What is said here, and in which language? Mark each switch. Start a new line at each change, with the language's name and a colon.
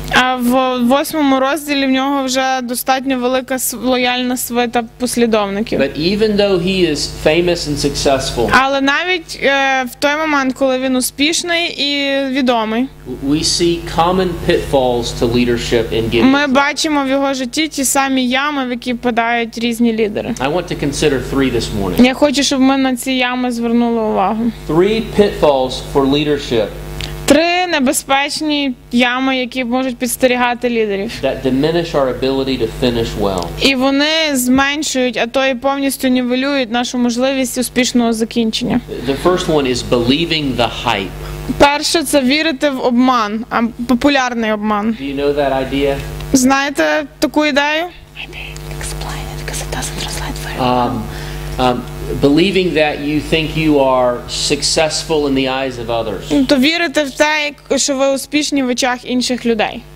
Ukrainian: А в 8-му розділі в нього вже достатньо велика лояльна свита послідовників.
English: But even though he is famous and successful,
Ukrainian: але навіть в той момент, коли він успішний і відомий,
English: we see common pitfalls to leadership in Gideon.
Ukrainian: Ми бачимо в його житті ті самі ями, в які впадають різні лідери.
English: I want to consider three this morning.
Ukrainian: Я хочу, щоб ми на ці ями звернули увагу.
English: Three pitfalls for leadership.
Ukrainian: Три небезпечні ями, які можуть підстерігати лідерів.
English: That diminish our ability to finish well.
Ukrainian: І вони зменшують, а то й повністю нівелюють нашу можливість успішного закінчення.
English: The first one is believing the hype.
Ukrainian: Перше – це вірити в обман, а популярний обман.
English: Do you know that idea?
Ukrainian: Знаєте таку ідею?
English: Maybe explain it, because it doesn't translate very well. Believing that you think you are successful in the eyes of others.
Ukrainian: То вірити в те, що ви успішні в очах інших людей.